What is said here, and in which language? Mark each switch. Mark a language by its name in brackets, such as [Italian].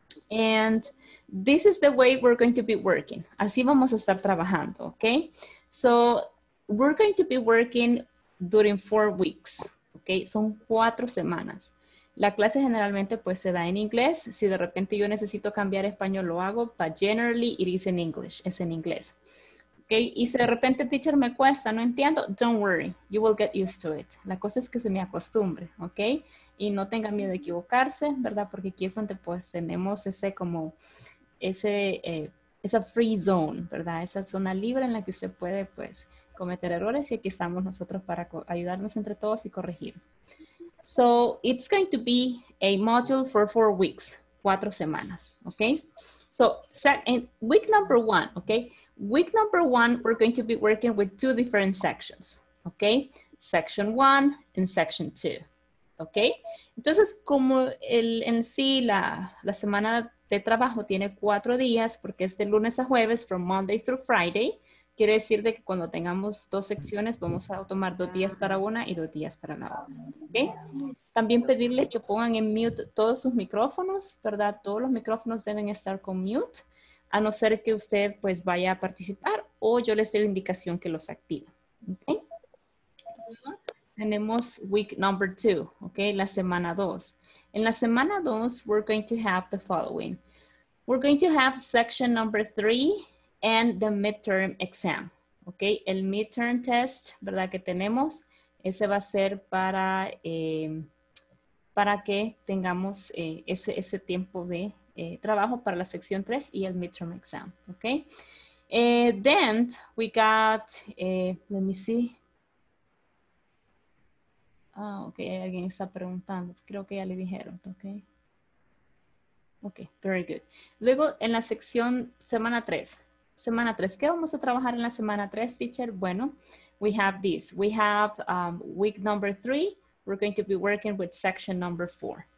[English] And this is the way we're going to be working. [Spanish] Así vamos a estar trabajando, [English] okay? So, we're going to be working during 4 weeks, okay? [Spanish] Son 4 semanas. La clase generalmente, pues, se da en inglés. Si de repente yo necesito cambiar español, lo hago, [English] but generally it is in English, [Spanish] es en inglés. Okay, y si de repente, teacher, me cuesta, no entiendo, don't worry, you will get used to it. La cosa es que se me acostumbre, ¿ok? Y no tenga miedo de equivocarse, ¿verdad? Porque aquí es donde, pues, tenemos ese como, ese, esa free zone, ¿verdad? Esa zona libre en la que usted puede, pues, cometer errores y aquí estamos nosotros para ayudarnos entre todos y corregir. [English] So, it's going to be a module for 4 weeks, [Spanish] 4 semanas, [English] ¿ok? So, week number one, okay? Week number one, we're going to be working with 2 different sections, okay? Section 1 and section 2, okay? [Spanish] Entonces, como la semana de trabajo tiene 4 días, porque es de lunes a jueves, [English] from Monday through Friday, [Spanish] quiere decir de que cuando tengamos 2 secciones, vamos a tomar 2 días para una y 2 días para la otra, ¿okay? También pedirles que pongan en mute todos sus micrófonos, ¿verdad? Todos los micrófonos deben estar con mute, a no ser que usted, pues, vaya a participar o yo les dé la indicación que los active, ¿okay? Tenemos [English] week number 2, [Spanish] ¿okay? La semana 2. En la semana 2, [English] we're going to have the following. We're going to have section number 3, and the midterm exam, [Spanish] ¿ok? El midterm test, ¿verdad? Que tenemos, ese va a ser para que tengamos ese tiempo de trabajo para la sección 3 y el midterm exam, ¿ok? [English] Then we got, let me see. [Spanish] Ah, ok, alguien está preguntando. Creo que ya le dijeron, ok. [English] Ok, very good. [Spanish] Luego en la sección semana 3. Semana 3, ¿qué vamos a trabajar en la semana 3, teacher? [English] Bueno, we have this. We have week number 3. We're going to be working with section number 4.